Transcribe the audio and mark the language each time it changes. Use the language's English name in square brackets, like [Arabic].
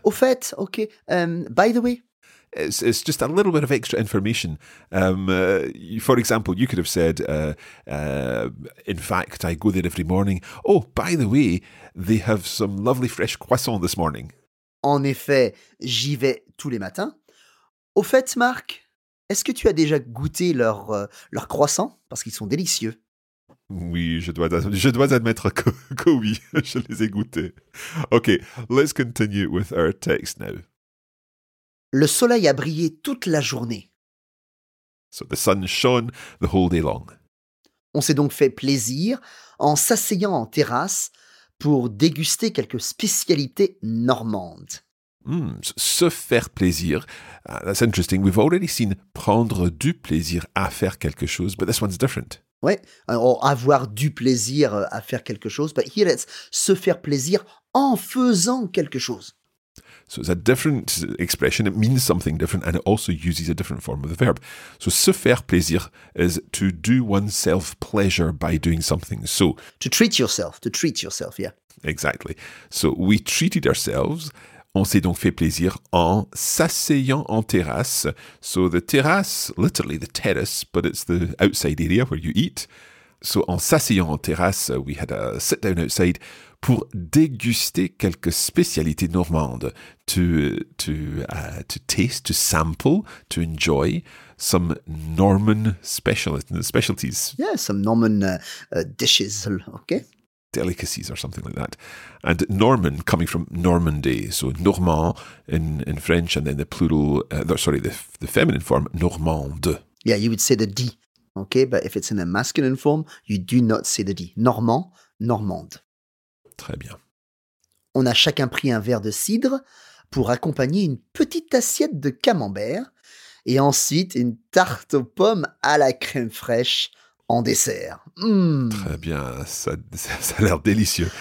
[French] Au fait, [English] okay. By the way. It's just a little bit of extra information. For example, you could have said, in fact, I go there every morning. Oh, by the way, they have some lovely fresh croissants this morning. [French] En effet, j'y vais tous les matins. Au fait, Marc, est-ce que tu as déjà goûté leurs croissants? Parce qu'ils sont délicieux. Oui, je dois admettre que oui, je les ai goûtés. [English] OK, let's continue with our text now. Le soleil a brillé toute la journée. So the sun shone the whole day long. On s'est donc fait plaisir en s'asseyant en terrasse pour déguster quelques spécialités normandes. Se faire plaisir. That's interesting. We've already seen prendre du plaisir à faire quelque chose, but this one's different. [French] Ouais, or avoir du plaisir à faire quelque chose. [English] But here it's [French] se faire plaisir en faisant quelque chose. [English] So it's a different expression, it means something different, and it also uses a different form of the verb. So [French] se faire plaisir [English] is to do oneself pleasure by doing something. So To treat yourself, yeah. Exactly. So we treated ourselves, [French] on s'est donc fait plaisir en s'asseyant en terrasse. [English] So the terrasse, literally the terrace, but it's the outside area where you eat. [French] So en s'asseyant en terrasse, [English] we had a sit down outside [French] pour déguster quelques spécialités normandes. [English] To taste, to sample, to enjoy some Norman specialties. Yeah, some Norman dishes, okay. Delicacies or something like that. And Norman, coming from Normandy, so Normand in French, and then the plural, the feminine form, Normande. Yeah, you would say the D, okay? But if it's in a masculine form, you do not say the D. [French] Normand, Normande. Très bien. On a chacun pris un verre de cidre pour accompagner une petite assiette de camembert et ensuite une tarte aux pommes à la crème fraîche en dessert. Très bien, ça a l'air délicieux.